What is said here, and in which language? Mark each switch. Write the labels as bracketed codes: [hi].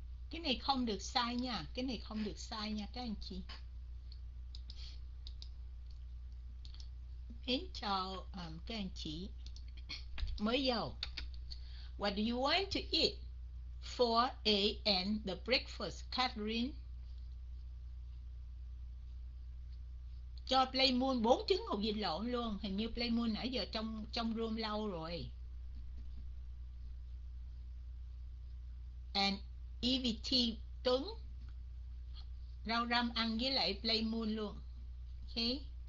[vi] Cái này không được sai nha, cái này không được sai nha các anh chị. Mến chào các anh chị mới vào. [en] What do you want to eat for a and the breakfast, Catherine? [vi] Cho Playmoon 4 trứng hột vịt lộn luôn. Hình như Playmoon nãy giờ trong trong room lâu rồi. And EVT Tuấn, rau răm ăn với lại Playmoon luôn. Okay.